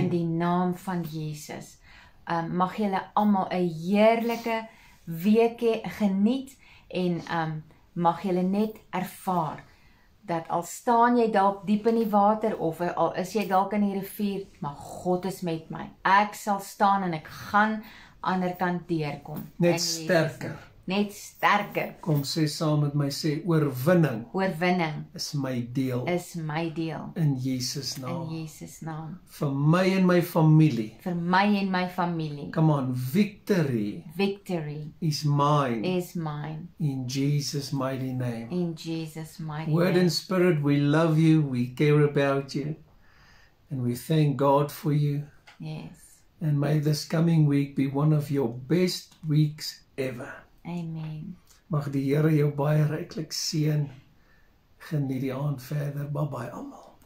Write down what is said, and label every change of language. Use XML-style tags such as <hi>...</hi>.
<af>In die naam van Jezus. Mag julle allemaal een heerlijke week geniet, en mag julle net ervaar, dat al staan jy dalk diep in die water, of al is jy dalk in die rivier, maar God is met my. Ek sal staan en ek gaan ander kant deurkom. Net sterker. Net sterker. Kom sê saam met my, sê oorwinning. Oorwinning. Is my deel. Is my deel. In Jesus naam. In Jesus naam. Vir my en my familie. Vir my en my familie.</af> <en>Come on, victory. Victory. Is mine. Is mine. In Jesus mighty name. In Jesus mighty name. Word and Spirit, we love you, we care about you, and we thank God for you. Yes. And may this coming week be one of your best weeks ever. Amen.</en> <af>Mag die Heere jou baie ryklik seën. Geniet die aand verder. Bye bye allemaal.</af>